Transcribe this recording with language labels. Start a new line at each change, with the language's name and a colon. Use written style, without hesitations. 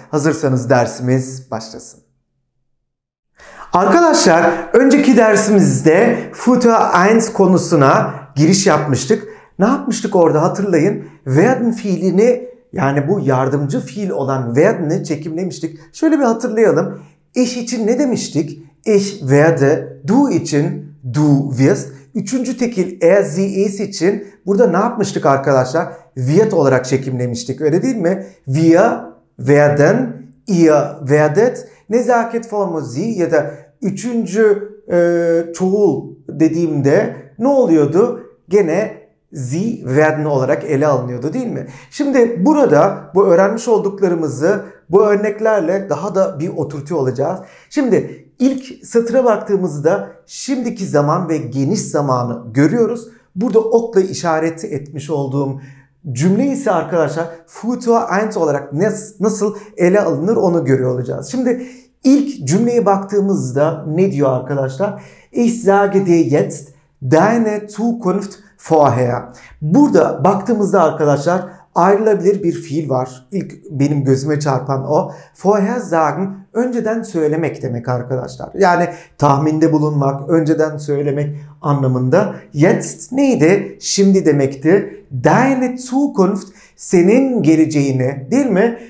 Turkish: Hazırsanız dersimiz başlasın. Arkadaşlar, önceki dersimizde Futur 1 konusuna giriş yapmıştık. Ne yapmıştık orada hatırlayın. Werden fiilini, yani bu yardımcı fiil olan werden'i çekimlemiştik. Şöyle bir hatırlayalım. Ich için ne demiştik?
German: Ich werde, du
Turkish: için
German: du wirst.
Turkish: Üçüncü tekil er, sie, es için burada ne yapmıştık arkadaşlar? Wird olarak çekimlemiştik, öyle değil mi?
German: Wir werden, ihr werdet.
Turkish: Nezaket formu sie ya da üçüncü çoğul dediğimde ne oluyordu? Gene
German: sie werden
Turkish: olarak ele alınıyordu değil mi? Şimdi burada bu öğrenmiş olduklarımızı bu örneklerle daha da bir oturtuyor olacağız. Şimdi ilk satıra baktığımızda şimdiki zaman ve geniş zamanı görüyoruz. Burada okla işaret etmiş olduğum cümle ise arkadaşlar Futur 1 olarak nasıl ele alınır onu görüyor olacağız. Şimdi ilk cümleye baktığımızda ne diyor arkadaşlar?
German: Ich sage dir jetzt deine Zukunft vorher.
Turkish: Burada baktığımızda arkadaşlar ayrılabilir bir fiil var. İlk benim gözüme çarpan o.
German: Vorher sagen
Turkish: önceden söylemek demek arkadaşlar. Yani tahminde bulunmak, önceden söylemek anlamında. Jetzt neydi? Şimdi demekti.
German: Deine Zukunft
Turkish: senin geleceğini değil mi?